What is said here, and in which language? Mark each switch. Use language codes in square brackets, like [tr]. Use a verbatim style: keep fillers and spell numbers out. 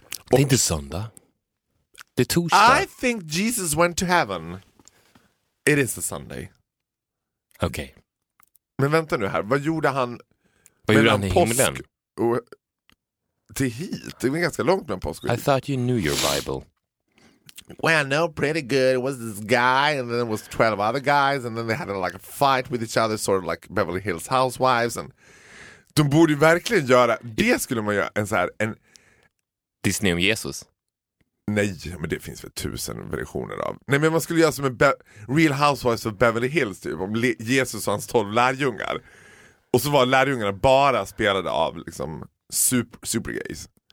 [sv] Det är inte söndag. Det är torsdag. [en] I think Jesus went to heaven. It is a Sunday. [sv] Okej. Okay. Men vänta nu här. Vad gjorde han? Vad gjorde han i himlen? Och till hit. Det var ganska långt mellan påsk. [en] I thought you knew your Bible. Well, no, pretty good. It was this guy, and then it was twelve other guys, and then they had a, like a fight with each other, sort of like Beverly Hills Housewives, and... [sv] De borde ju verkligen göra, det skulle man göra en så här en Disney om Jesus. Nej, men det finns väl tusen versioner av. Nej, men man skulle göra som en Be- Real Housewives of Beverly Hills typ, om Le- Jesus och hans tolv lärjungar. Och så var lärjungarna bara spelade av liksom super, super gays.